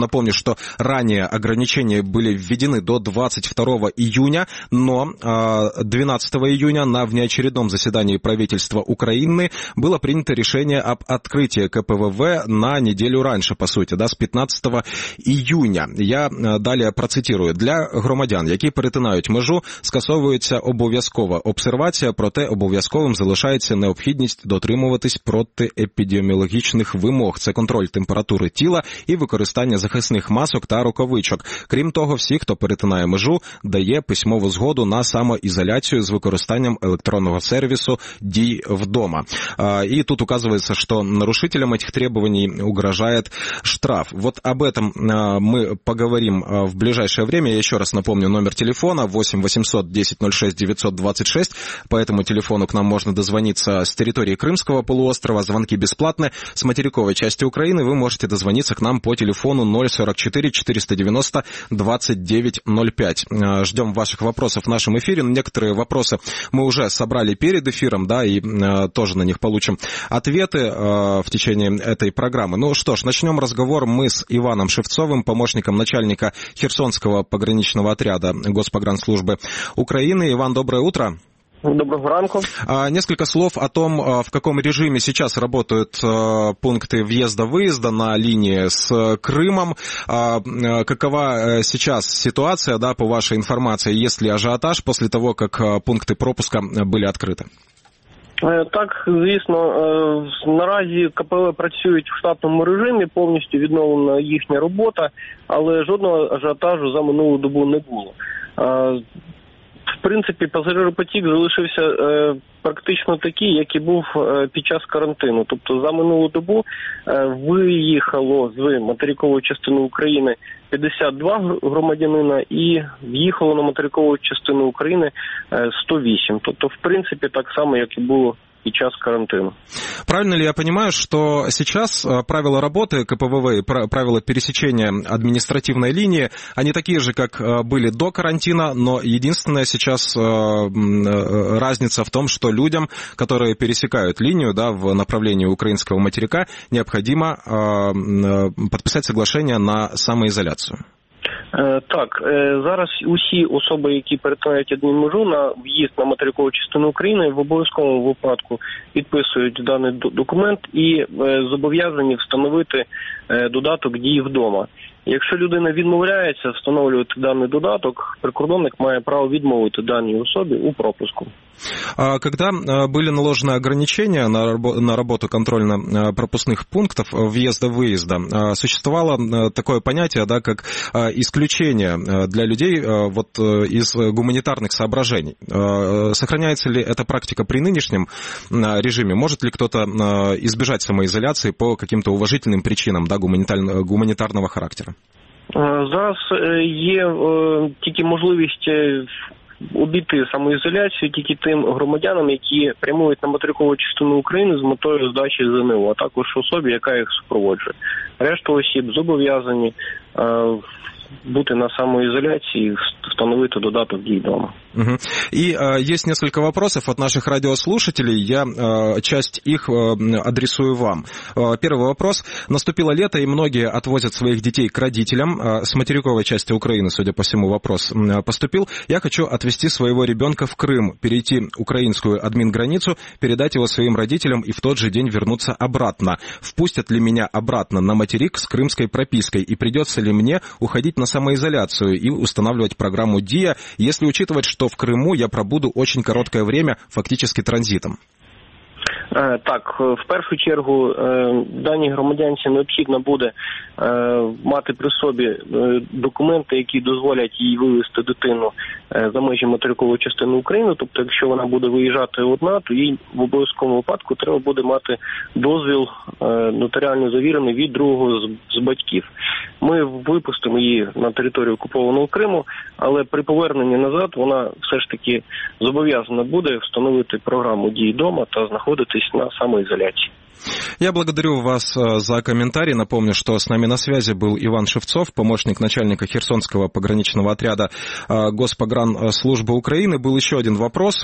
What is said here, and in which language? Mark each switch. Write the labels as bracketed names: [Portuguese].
[Russian] Напомню, что ранее ограничения были введены до 22 июня, но 12 июня на внеочередном заседании правительства Украины было принято решение об открытии КПВВ на неделю раньше, по сути, да, с 15 июня. Я далее процитирую. [Ukrainian] Для громадян, які перетинають межу, скасовується обов'язкова обсервація, проте обов'язковим залишається необхідність дотримуватись протиепідеміологічних вимог. Це контроль температури тіла і використання захисних масок та рукавичок. Крім того, всі, хто перетинає межу, дає письмову згоду на самоізоляцію з використанням електронного сервісу «Дій вдома». І тут указується, що нарушителям цих требувань угрожає штраф. [Russian] От об этом ми поговорим в ближайшее время. Я ще раз напомню номер телефона 8 800 10 06 926. По этому телефону к нам можно дозвониться с території Кримського полуострова. Звонки бесплатні. З материкової части України ви можете дозвониться к нам по телефону 044-490-2905. Ждем ваших вопросов в нашем эфире. Некоторые вопросы мы уже собрали перед эфиром, да, и тоже на них получим ответы в течение этой программы. Ну что ж, начнем разговор мы с Иваном Шевцовым, помощником начальника Херсонского пограничного отряда Госпогранслужбы Украины. Иван, доброе утро. [Ukrainian] Доброго ранку. [Russian] Несколько слов о том, в каком режиме сейчас работают пункты въезда-выезда на линии с Крымом. Какова сейчас ситуация, да, по вашей информации? Есть ли ажиотаж после того, как пункты пропуска были открыты? [Ukrainian] Так, звісно, наразі КПВ працюють в штатному режимі, повністю відновлена їхня робота, але жодного ажіотажу за минулу добу не було. принципі, пасажиропотік залишився практично такий, як і був під час карантину. Тобто за минулу добу виїхало з материкової частини України 52 громадянина і в'їхало на материкову частину України 108. Тобто, в принципі, так само, як і було під час карантину. [Russian] Правильно ли я понимаю, что сейчас правила работы КПВВ, правила пересечения административной линии, они такие же, как были до карантина, но единственная сейчас разница в том, что людям, которые пересекают линию, да, в направлении украинского материка, необходимо подписать соглашение на самоизоляцию. [Ukrainian] Так, зараз усі особи, які перетинають одну межу на в'їзд на материкову частину України, в обов'язковому випадку підписують даний документ і зобов'язані встановити додаток дій вдома. Якщо людина відмовляється встановлювати даний додаток, прикордонник має право відмовити даній особі у пропуску. [Russian] А когда были наложены ограничения на работу контрольно-пропускных пунктов въезда-выезда, существовало такое понятие, да, как исключение для людей вот, из гуманитарных соображений. Сохраняется ли эта практика при нынешнем режиме? Может ли кто-то избежать самоизоляции по каким-то уважительным причинам, да, гуманитарного характера? [Ukrainian] Зараз є тільки можливість обійти самоізоляцію тільки тим громадянам, які прямують на материкову частину України з метою здачі ЗНО, а також особі, яка їх супроводжує. Решта осіб зобов'язані бути на самоізоляції, встановити додаток дій вдома. Угу. [Russian] И есть несколько вопросов от наших радиослушателей, я часть их адресую вам. Первый вопрос. Наступило лето, и многие отвозят своих детей к родителям. С материковой части Украины, судя по всему, вопрос поступил. Я хочу отвезти своего ребенка в Крым, перейти украинскую админграницу, передать его своим родителям и в тот же день вернуться обратно. Впустят ли меня обратно на материк с крымской пропиской? И придется ли мне уходить на самоизоляцию и устанавливать программу ДИА, если учитывать, что в Крыму я пробуду очень короткое время фактически транзитом. [Ukrainian] Так, в першу чергу даній громадянці необхідно буде мати при собі документи, які дозволять їй вивезти дитину за межі материкової частини України. Тобто, якщо вона буде виїжджати одна, то їй в обов'язковому випадку треба буде мати дозвіл нотаріально завірений від другого з батьків. Ми випустимо її на територію окупованого Криму, але при поверненні назад вона все ж таки зобов'язана буде встановити програму дій дома та знаходитись [Russian] на самоизоляции. Я благодарю вас за комментарий. Напомню, что с нами на связи был Иван Шевцов, помощник начальника Херсонского пограничного отряда Госпогранслужбы Украины. Был еще один вопрос.